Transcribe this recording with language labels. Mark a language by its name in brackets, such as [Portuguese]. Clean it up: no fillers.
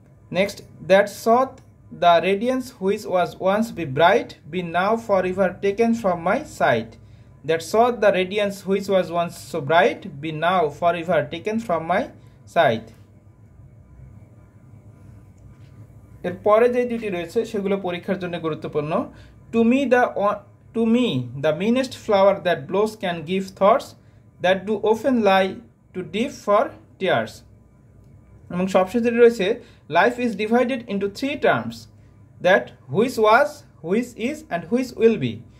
[English] Next, that sought the radiance which was once be bright, be now forever taken from my sight. That saw the radiance which was once so bright, be now forever taken from my sight. [Bangla] এর পরে যে দুটি রয়েছে সেগুলো পরীক্ষার জন্য গুরুত্বপূর্ণ. [English] To me the meanest flower that blows can give thoughts that do often lie to deep for tears. [Bangla] এবং সবশেষে রয়েছে [English] life is divided into three terms, that which was, which is and which will be.